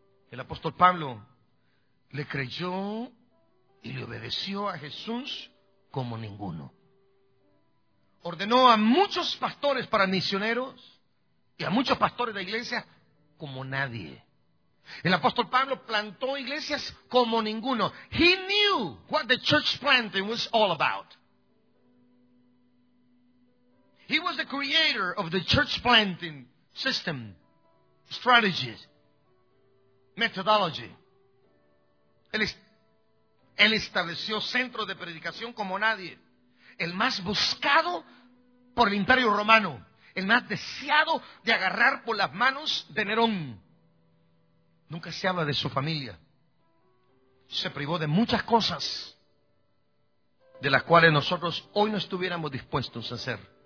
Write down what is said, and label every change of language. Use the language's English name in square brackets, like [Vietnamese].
[Spanish] El apóstol Pablo le creyó y le obedeció a Jesús como ninguno. ordenó a muchos pastores para misioneros y a muchos pastores de iglesias como nadie. El apóstol Pablo plantó iglesias como ninguno. [English] He knew what the church planting was all about. He was the creator of the church planting system, strategies, methodology. [Spanish] Él estableció centros de predicación como nadie. El más buscado por el Imperio Romano. El más deseado de agarrar por las manos de Nerón. Nunca se habla de su familia. Se privó de muchas cosas de las cuales nosotros hoy no estuviéramos dispuestos a hacer.